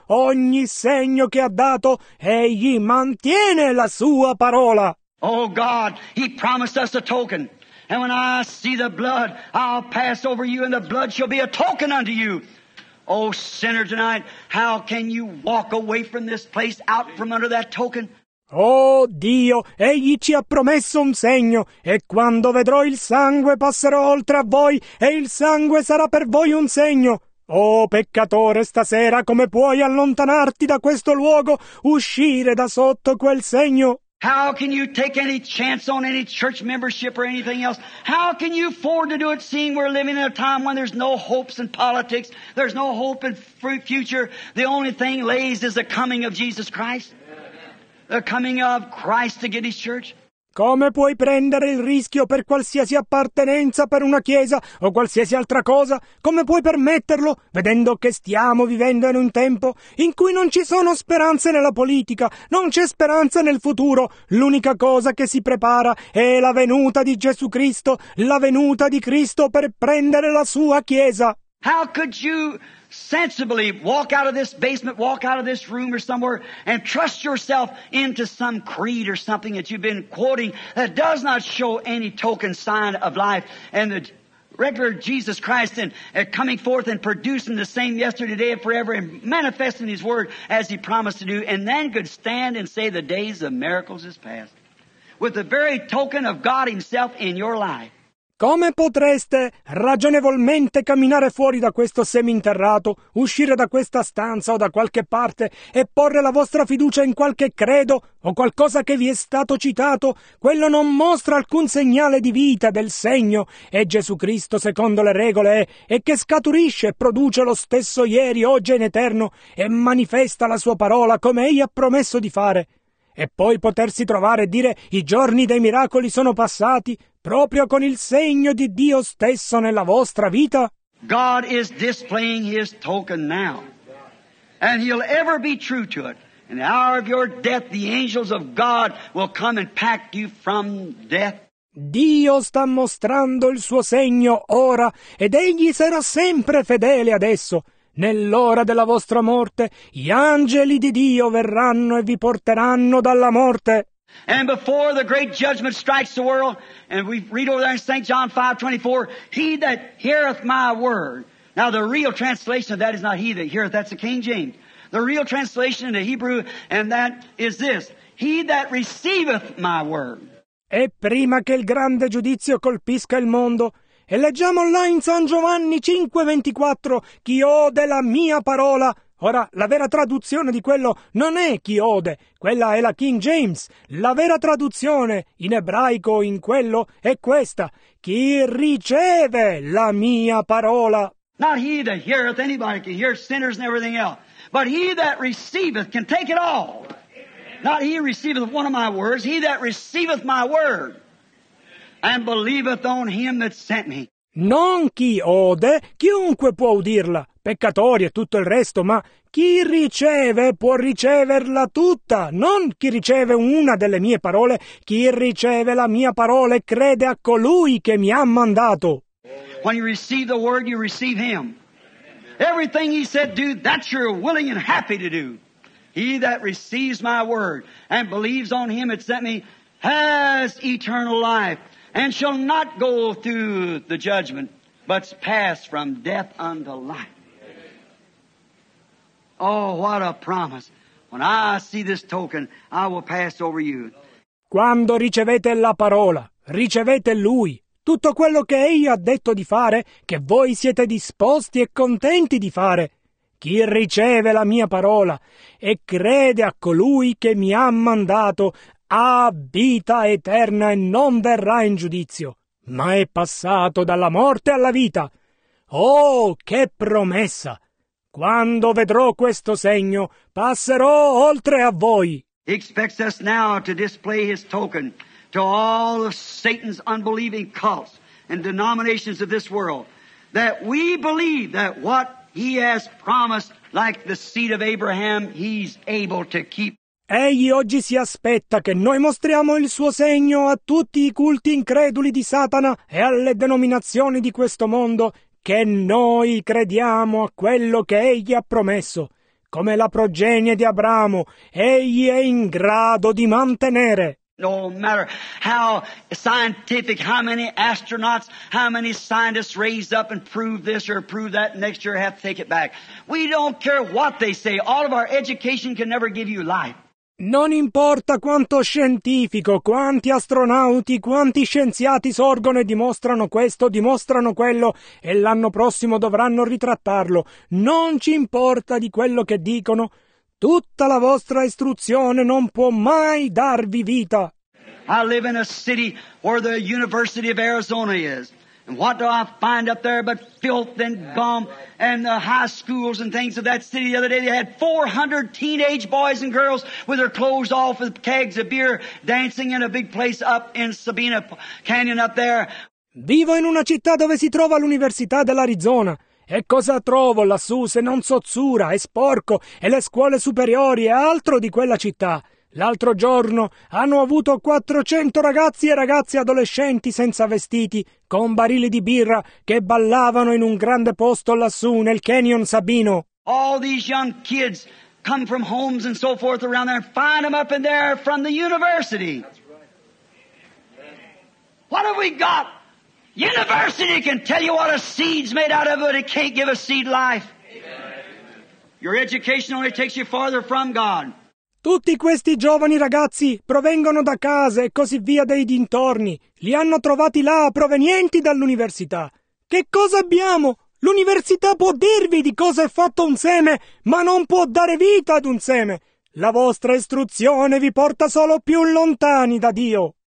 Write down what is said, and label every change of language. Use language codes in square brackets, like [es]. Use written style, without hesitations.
[it] Ogni segno che ha dato, egli mantiene la sua parola. [en] Oh God, he promised us a token. And when I see the blood, I'll pass over you, and the blood shall be a token unto you. Oh sinner tonight, how can you walk away from this place out from under that token? [it] Oh Dio, egli ci ha promesso un segno, e quando vedrò il sangue passerò oltre a voi, e il sangue sarà per voi un segno. Oh peccatore, stasera come puoi allontanarti da questo luogo, uscire da sotto quel segno? [en] How can you take any chance on any church membership or anything else? How can you afford to do it, seeing we're living in a time when there's no hopes in politics, there's no hope in future? The only thing lays is the coming of Jesus Christ, the coming of Christ to get his church. [it] Come puoi prendere il rischio per qualsiasi appartenenza per una chiesa o qualsiasi altra cosa? Come puoi permetterlo, vedendo che stiamo vivendo in un tempo in cui non ci sono speranze nella politica, non c'è speranza nel futuro? L'unica cosa che si prepara è la venuta di Gesù Cristo, la venuta di Cristo per prendere la sua chiesa. [en] How could you sensibly walk out of this basement, walk out of this room or somewhere, and trust yourself into some creed or something that you've been quoting that does not show any token sign of life and the regular Jesus Christ and coming forth and producing the same yesterday, today, and forever, and manifesting his word as he promised to do, and then could stand and say the days of miracles is past with the very token of God himself in your life? [it] Come potreste ragionevolmente camminare fuori da questo seminterrato, uscire da questa stanza o da qualche parte e porre la vostra fiducia in qualche credo o qualcosa che vi è stato citato? Quello non mostra alcun segnale di vita, del segno. E Gesù Cristo, secondo le regole, è e che scaturisce e produce lo stesso ieri, oggi e in eterno e manifesta la sua parola come egli ha promesso di fare. E poi potersi trovare e dire i giorni dei miracoli sono passati proprio con il segno di Dio stesso nella vostra vita? [en] God is displaying his token now. And he'll ever be true to it. In the hour of your death, the angels of God will come and pack you from death. [it] Dio sta mostrando il suo segno ora, ed egli sarà sempre fedele adesso. Nell'ora della vostra morte, gli angeli di Dio verranno e vi porteranno dalla morte. [en] And before the great judgment strikes the world, and we read over there in St. John 5:24, he that heareth my word. Now the real translation of that is not he that heareth, that's the King James. The real translation in the Hebrew, and that is this, he that receiveth my word. [it] E prima che il grande giudizio colpisca il mondo, e leggiamo là in San Giovanni 5:24, chi ode la mia parola. Ora, la vera traduzione di quello non è chi ode, quella è la King James. La vera traduzione in ebraico in quello è questa, chi riceve la mia parola. [en] Not he that heareth, anybody can hear sinners and everything else, but he that receiveth can take it all. Not he receiveth one of my words, he that receiveth my word and believeth on him that sent me. [it] Non chi ode, chiunque può udirla, peccatori e tutto il resto, ma chi riceve può riceverla tutta, non chi riceve una delle mie parole, chi riceve la mia parola e crede a colui che mi ha mandato. [en] When you receive the word, you receive him. Everything he said, do, that's you're willing and happy to do. He that receives my word and believes on him that sent me has eternal life. And shall not go through the judgment, but pass from death unto life. Oh, what a promise! When I see this token, I will pass over you. [it] Quando ricevete la parola, ricevete Lui. Tutto quello che Egli ha detto di fare, che voi siete disposti e contenti di fare. Chi riceve la mia parola e crede a colui che mi ha mandato, ha vita eterna e non verrà in giudizio, ma è passato dalla morte alla vita. Oh, che promessa! Quando vedrò questo segno, passerò oltre a voi. [en] He expects us now to display his token to all of Satan's unbelieving cults and denominations of this world, that we believe that what he has promised, like the seed of Abraham, he's able to keep. [it] Egli oggi si aspetta che noi mostriamo il suo segno a tutti i culti increduli di Satana e alle denominazioni di questo mondo, che noi crediamo a quello che egli ha promesso. Come la progenie di Abramo, egli è in grado di mantenere. [en] No matter how scientific, how many astronauts, how many scientists raise up and prove this or prove that, next year have to take it back. We don't care what they say, all of our education can never give you life. [it] Non importa quanto scientifico, quanti astronauti, quanti scienziati sorgono e dimostrano questo, dimostrano quello, e l'anno prossimo dovranno ritrattarlo. Non ci importa di quello che dicono. Tutta la vostra istruzione non può mai darvi vita. [en] I live in a city where the University of Arizona is. And what do I find up there but filth and gum and the high schools and things of that city? The other day they had 400 teenage boys and girls with their clothes off with kegs of beer dancing in a big place up in Sabina Canyon up there. [it] Vivo in una città dove si trova l'Università dell'Arizona. E cosa trovo lassù se non sozzura e sporco e le scuole superiori e altro di quella città? L'altro giorno hanno avuto 400 ragazzi e ragazze adolescenti senza vestiti, con barili di birra, che ballavano in un grande posto lassù nel Canyon Sabino. [en] All these young kids come from homes and so forth around there and find them up in there from the university. What have we got? University can tell you what a seed's made out of, but it can't give a seed life. Amen. Your education only takes you farther from God. [it] Tutti questi giovani ragazzi provengono da case e così via dei dintorni. Li hanno trovati là, provenienti dall'università. Che cosa abbiamo? L'università può dirvi di cosa è fatto un seme, ma non può dare vita ad un seme. La vostra istruzione vi porta solo più lontani da Dio.